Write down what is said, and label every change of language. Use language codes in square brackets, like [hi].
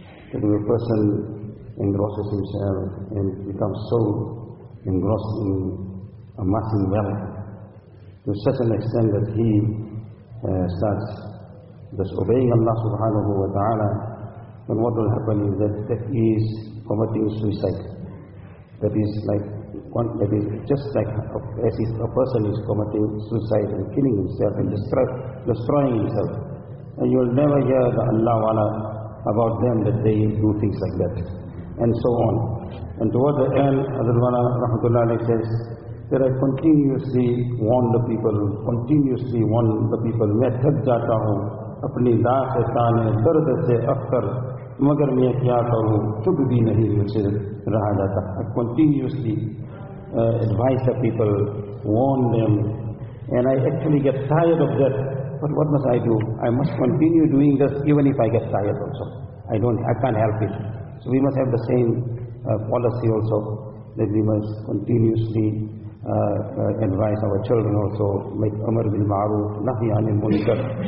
[en] That if a person engrosses himself and becomes so engrossed in amassing wealth to such an extent that he starts disobeying Allah subhanahu wa ta'ala, then what will happen is that he is committing suicide. That is like one, that is just like a person is committing suicide and killing himself and destroying himself. And you will never hear the Allah wala about them that they do things like that, and so on. And toward the end, Hazrat Wala Rahmatullah Alayh says that I continuously warn the people, [ur] میں تھک جاتا ہوں اپنی داس تانے درد سے اکثر مگر میں کیا کروں چپ بھی نہیں اسے رہا جاتا. [en] I continuously advise the people, warn them, and I actually get tired of that. But what must I do? I must continue doing this even if I get tired also. I can't help it. So we must have the same policy also, that we must continuously advise our children also, make amr bil ma'ruf, nahi anil munkar.